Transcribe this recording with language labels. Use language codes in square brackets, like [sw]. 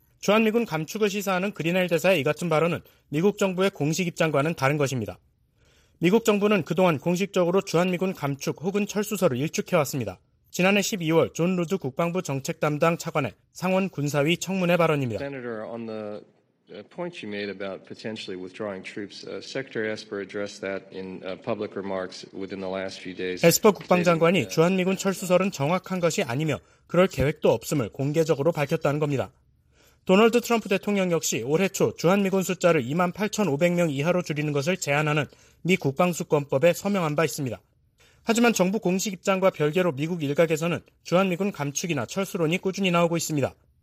[ko] 주한미군 감축을 시사하는 그리넬 대사의 이 같은 발언은 미국 정부의 공식 입장과는 다른 것입니다. 미국 정부는 그동안 공식적으로 주한미군 감축 혹은 철수설을 일축해왔습니다. 지난해 12월 존 루드 국방부 정책 담당 차관의 상원 군사위 청문회 발언입니다. [en] Senator, on the point you made about potentially withdrawing troops, Secretary Esper addressed that in public remarks within the last few days. [ko] 에스퍼 국방장관이 주한미군 철수설은 정확한 것이 아니며 그럴 계획도 없음을 공개적으로 밝혔다는 겁니다. 도널드 트럼프 대통령 역시 올해 초 주한미군 숫자를 2만 8,500명 이하로 줄이는 것을 제안하는 미 국방수권법에 서명한 바 있습니다. 하지만 정부 공식 입장과 별개로 미국 일각에서는 주한미군 감축이나 철수론이 꾸준히 나오고 있습니다.